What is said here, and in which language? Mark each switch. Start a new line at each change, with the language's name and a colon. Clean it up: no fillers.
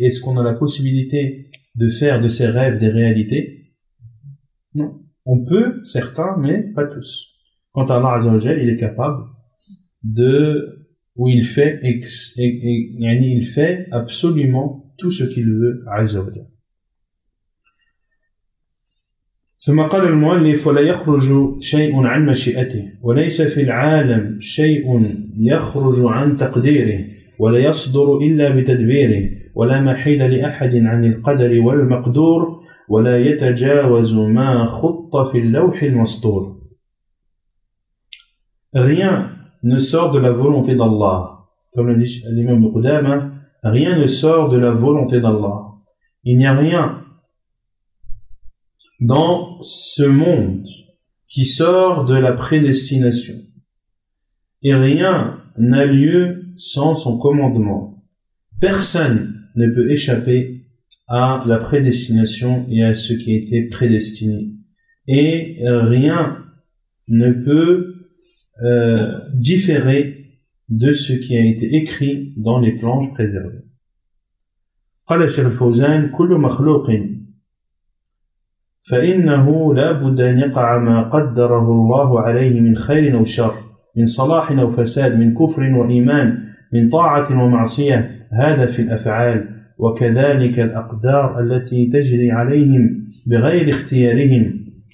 French: Est-ce qu'on a la possibilité de faire de ces rêves des réalités? Non, on peut, certains, mais pas tous. Quant à Allah Azza wa Jal, il est capable de, ou il fait, il fait absolument tout ce qu'il veut, Azza wa Jal.
Arabic: ثم قال المؤلف ولا يخرج شيء عن مشيئته وليس في العالم شيء يخرج عن تقديره ولا يصدر إلا بتدبيره ولا محيل لأحد عن القدر والمقدور ولا يتجاوز ما خط في اللوح المسطور.
French: Rien ne sort de la volonté d'Allah. Comme le dit l'imam de Qudama, rien ne sort de la volonté d'Allah. Il n'y a rien dans ce monde qui sort de la prédestination. Et rien n'a lieu sans son commandement. personne ne peut échapper à la prédestination et à ce qui a été prédestiné. Et rien ne peut différer de ce qui a été écrit dans les planches préservées.
Arabic: قال الشيخ الفوزان كل مخلوق فإنه لا بد أن يقع ما قدره الله عليه من خير أو شر من صلاح أو فساد من كفر وإيمان من طاعة ومعصية هذا في الأفعال وكذلك الأقدار التي تجري عليهم بغير اختيارهم